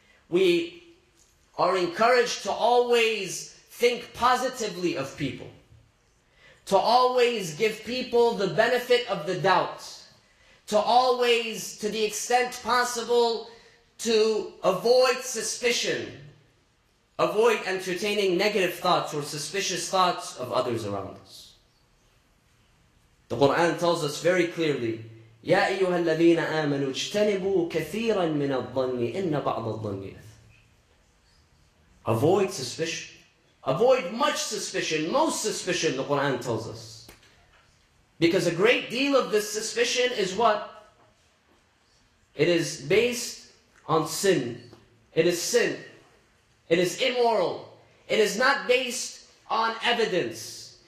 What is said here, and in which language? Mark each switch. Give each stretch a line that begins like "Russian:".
English: We are encouraged to always think positively of people, to always give people the benefit of the doubt, to always, to the extent possible, to avoid suspicion, avoid entertaining negative thoughts or suspicious thoughts of others around us. The Quran tells us very clearly,
Arabic: يَا أَيُّهَا الَّذِينَ آمَنُوا اجْتَنِبُوا كَثِيرًا مِنَ الظَّنِّ إِنَّ بَعْضَ الظَّنِّ إِثْمٌ.
English: Avoid suspicion. Avoid much suspicion, most suspicion, the Quran tells us. Because a great deal of this suspicion is what? It is based on sin. It is sin. It is immoral. It is not based on evidence.